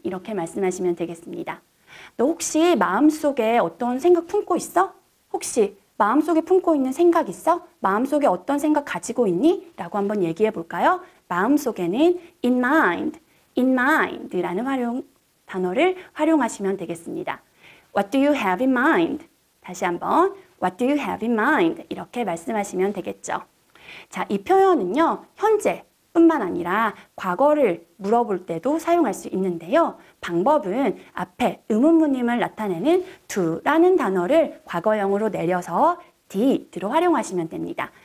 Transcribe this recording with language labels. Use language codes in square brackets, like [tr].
[ko] 이렇게 말씀하시면 되겠습니다. 너 혹시 마음속에 어떤 생각 품고 있어? 혹시 마음속에 품고 있는 생각 있어? 마음속에 어떤 생각 가지고 있니? 라고 한번 얘기해 볼까요? 마음속에는 in mind, in mind라는 단어를 활용하시면 되겠습니다. [en] What do you have in mind? [ko] 다시 한번 [en] What do you have in mind? [ko] 이렇게 말씀하시면 되겠죠. 자, 이 표현은요, 현재뿐만 아니라 과거를 물어볼 때도 사용할 수 있는데요. 방법은 앞에 의문문임을 나타내는 do라는 단어를 과거형으로 내려서 did로 활용하시면 됩니다.